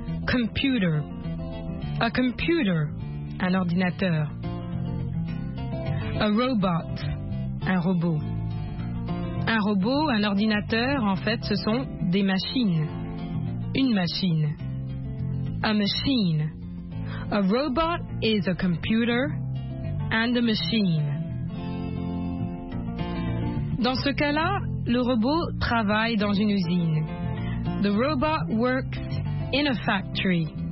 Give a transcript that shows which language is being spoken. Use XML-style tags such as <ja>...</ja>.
<en>Computer. A computer.</en> <fr>Un ordinateur.</fr> <en>A robot.</en> <fr>Un robot. Un robot, un ordinateur, en fait, ce sont des machines. Une machine.</fr> <en>A machine. A robot is a computer and a machine.</en> <fr>Dans ce cas-là, le robot travaille dans une usine.</fr> <en>The robot works in a factory.</en>